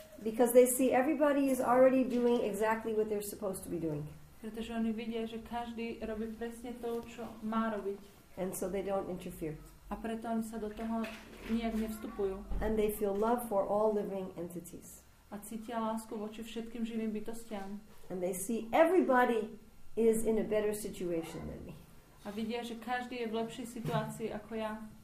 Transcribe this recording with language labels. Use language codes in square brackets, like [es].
[en] Because they see everybody is already doing exactly what they're supposed to be doing. [sk] Pretože oni vidia, že každý robí presne to, čo má robiť. [en] And so they don't interfere. [sk] A preto oni sa do toho nijak nevstupujú. [en] And they feel love for all living entities. [sk] A cítia lásku voči všetkým živým bytostiam. [en] And they see everybody is in a better situation than me. [sk] A vidia, že každý je v lepšej situácii ako ja.